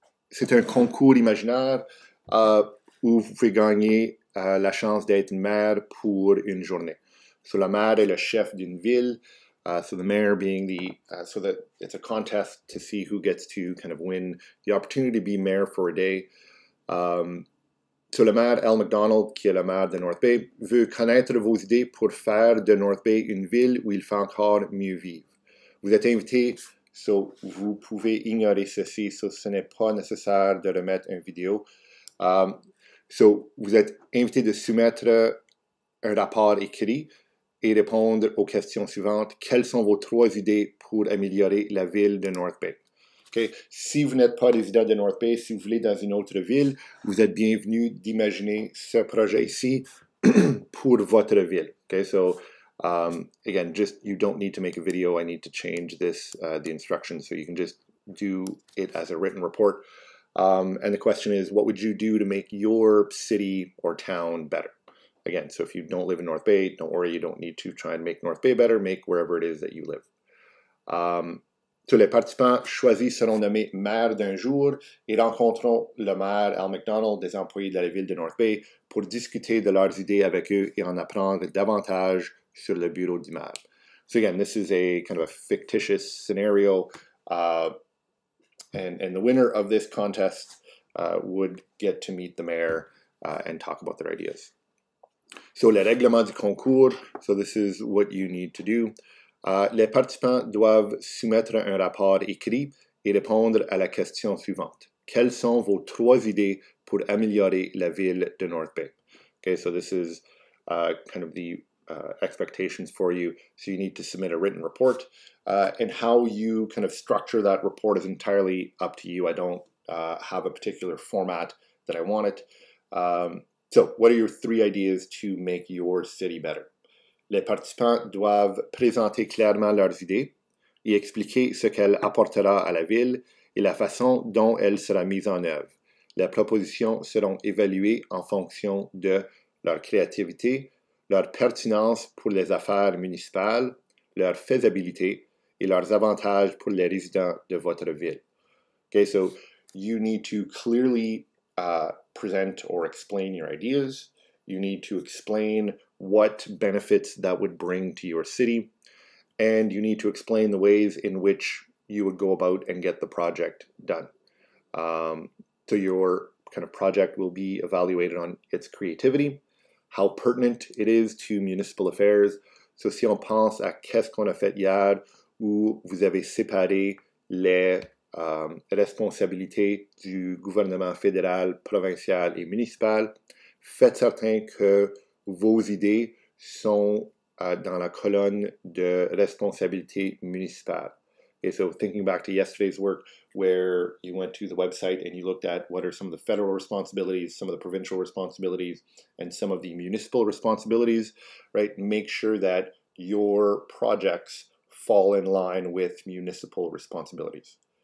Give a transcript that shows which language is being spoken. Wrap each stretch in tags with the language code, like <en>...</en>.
<fr>C'est un concours imaginaire où vous pouvez gagner la chance d'être maire pour une journée. Le maire est le chef d'une ville.</fr> <en>The mayor being the so that it's a contest to see who gets to kind of win the opportunity to be mayor for a day.</en> <fr>Le maire, Al McDonald, qui est le maire de North Bay, veut connaître vos idées pour faire de North Bay une ville où il fait encore mieux vivre. Vous êtes invité, vous pouvez ignorer ceci, ce n'est pas nécessaire de remettre une vidéo. Vous êtes invité de soumettre un rapport écrit et répondre aux questions suivantes. Quelles sont vos trois idées pour améliorer la ville de North Bay? Okay? Si vous n'êtes pas résident de North Bay, si vous voulez dans une autre ville, vous êtes bienvenu d'imaginer ce projet ici pour votre ville. Okay?</fr> <en>Again, just you don't need to make a video. I need to change this, the instructions, so you can just do it as a written report. And the question is, what would you do to make your city or town better? Again, so if you don't live in North Bay, don't worry, you don't need to try and make North Bay better. Make wherever it is that you live.</en> <fr>Les participants choisis seront nommés maire d'un jour et rencontreront le maire Al McDonald, des employés de la ville de North Bay, pour discuter de leurs idées avec eux et en apprendre davantage sur le bureau du maire.</fr> <en>So again, this is a kind of a fictitious scenario, and the winner of this contest would get to meet the mayor and talk about their ideas.</en> <fr>Le règlement du concours,</fr> <en>this is what you need to do.</en> <fr>Les participants doivent soumettre un rapport écrit et répondre à la question suivante. Quelles sont vos trois idées pour améliorer la ville de North Bay?</fr> <en>Okay, so this is kind of the expectations for you. So you need to submit a written report. And how you kind of structure that report is entirely up to you. I don't have a particular format that I want it. What are your three ideas to make your city better?</en> <fr>Les participants doivent présenter clairement leurs idées et expliquer ce qu'elles apporteront à la ville et la façon dont elles seront mises en œuvre. Les propositions seront évaluées en fonction de leur créativité, leur pertinence pour les affaires municipales, leur faisabilité et leurs avantages pour les résidents de votre ville.</fr> <en>Okay, so you need to clearly present or explain your ideas. You need to explain what benefits that would bring to your city, and you need to explain the ways in which you would go about and get the project done. Your kind of project will be evaluated on its creativity, how pertinent it is to municipal affairs.</en> <fr>So si on pense à qu'est-ce qu'on a fait hier, où vous avez séparé les responsabilité du gouvernement fédéral, provincial et municipal. Faites certain que vos idées sont dans la colonne de responsabilité municipale.</fr> <en>Okay, so thinking back to yesterday's work, where you went to the website and you looked at what are some of the federal responsibilities, some of the provincial responsibilities, and some of the municipal responsibilities, right? Make sure that your projects fall in line with municipal responsibilities.</en>